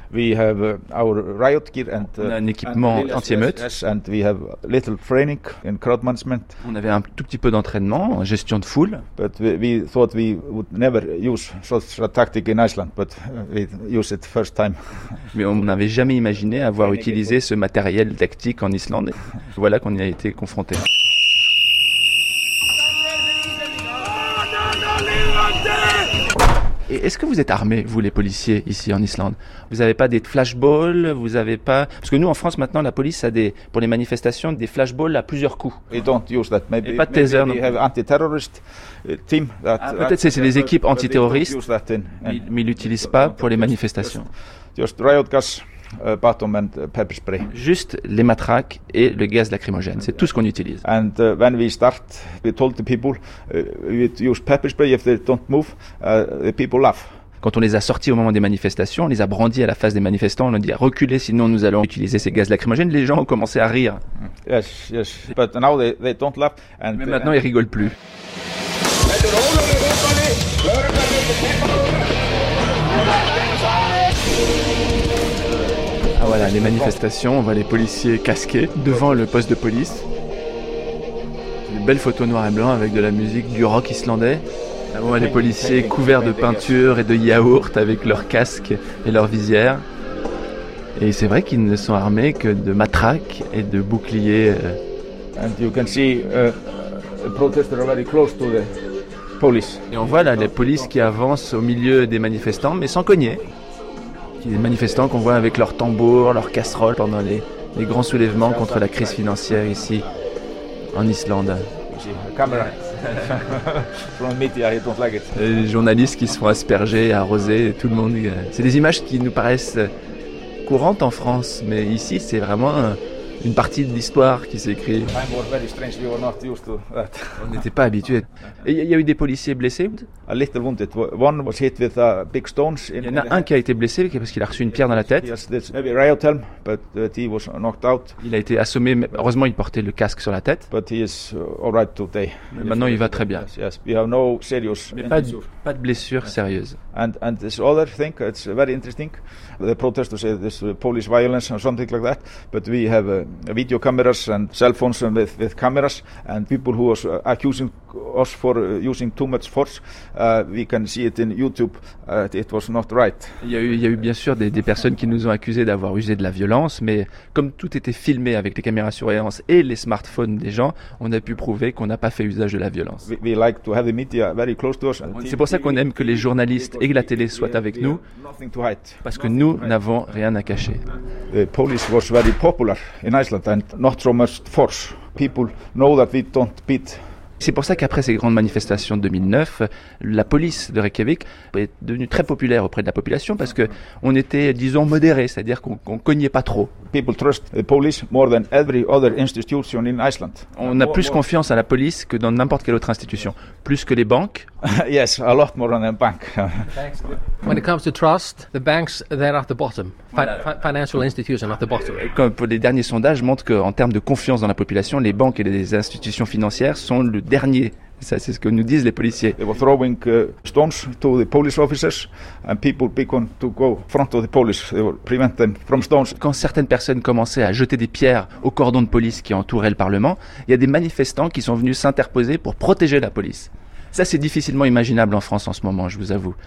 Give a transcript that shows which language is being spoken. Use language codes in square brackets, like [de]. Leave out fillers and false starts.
[en] We have our riot gear and, [fr] on a un équipement [en] and [fr] anti-émeute. [en] And we have little training in crowd management. [fr] On avait un tout petit peu d'entraînement en gestion de foule. [en] But we thought we would never use such a tactic in Iceland, but we use it first time. [fr] Mais on n'avait jamais imaginé avoir utilisé ce matériel tactique en Islande. Voilà qu'on y a été confronté. Et est-ce que vous êtes armés, vous, les policiers, ici en Islande? Vous n'avez pas des flashballs? Vous n'avez pas... Parce que nous, en France, maintenant, la police a, des, pour les manifestations, des flashballs à plusieurs coups. [en] We don't use that. Maybe, [fr] et pas de taser. [en] Maybe we have anti-terrorist team that, [fr] peut-être que c'est des équipes antiterroristes, mais ils n'utilisent pas pour les manifestations. [en] Just riot gas. Bottom and pepper spray. [fr] Juste les matraques et le gaz lacrymogène, c'est tout ce qu'on utilise. [en] And when we start, we told the people we use pepper spray if they don't move, the people laugh. [fr] Quand on les a sortis au moment des manifestations, on les a brandis à la face des manifestants, on leur a dit « Reculez, sinon nous allons utiliser ces gaz lacrymogènes », les gens ont commencé à rire. [en] Yes, but now they don't laugh. And [fr] mais maintenant, ils rigolent plus. Voilà, les manifestations, on voit les policiers casqués devant le poste de police. Une belle photo noir et blanc avec de la musique du rock islandais. Là, on voit les policiers couverts de peinture et de yaourt avec leurs casques et leurs visières. Et c'est vrai qu'ils ne sont armés que de matraques et de boucliers. [en] And you can see the protesters are very close to the police. [fr] Et on voit là les policiers qui avancent au milieu des manifestants mais sans cogner. Des manifestants qu'on voit avec leurs tambours, leurs casseroles pendant les grands soulèvements contre la crise financière ici en Islande. [en] actually, a camera. From media, I don't like it. [fr] Les journalistes qui se font asperger, arroser, tout le monde. C'est des images qui nous paraissent courantes en France, mais ici, c'est vraiment une partie de l'histoire qui s'écrit. [en] Time was very strange, we were not used to that. [fr] On n'était pas habitués. Et il y a eu des policiers blessés? [en] A little wounded. One was hit with big stones. [fr] Il y en a un qui a été blessé parce qu'il a reçu une pierre dans la tête. [en] Maybe a riot helm, but he was knocked out. [fr] Il a été assommé, mais heureusement il portait le casque sur la tête. [en] But he is all right today. [fr] Mais maintenant il va très bien. [en] Yes, we have no serious [fr] injuries. Mais pas de blessure sérieuse. [en] And this other thing, it's very interesting. The protesters say this police violence or something like that, but we have video cameras and cell phones with cameras and people who was accusing us for using too much force. We can see it in YouTube. It was not right. [fr] Il y a eu bien sûr des personnes qui nous ont accusé d'avoir usé de la violence, mais comme tout était filmé avec les caméras surveillance et les smartphones des gens, on a pu prouver qu'on n'a pas fait usage de la violence. [en] We like to have the media very close to us. [fr] C'est pour ça qu'on aime que les journalistes et la télé soient avec nous, parce que nous n'avons rien à cacher. [en] The police was very popular in Iceland and not so much force. People know that we don't beat. [fr] C'est pour ça qu'après ces grandes manifestations de 2009, la police de Reykjavik est devenue très populaire auprès de la population parce qu'on était, disons, modéré, c'est-à-dire qu'on ne cognait pas trop. [en] People trust the police more than every other institution in Iceland. [fr] On a plus confiance à la police que dans n'importe quelle autre institution, plus que les banques. [en] Yes, a lot more than banks. When it comes to trust, the banks they're at the bottom. Financial institutions at the bottom. [fr] Comme pour les derniers sondages montrent qu'en termes de confiance dans la population, les banques et les institutions financières sont le dernier. Ça, c'est ce que nous disent les policiers. [en] They were throwing stones to the police officers and people began to go front of the police. They were prevent them from stones. [fr] Quand certaines personnes commençaient à jeter des pierres au cordon de police qui entourait le Parlement, il y a des manifestants qui sont venus s'interposer pour protéger la police. Ça, c'est difficilement imaginable en France en ce moment, je vous avoue.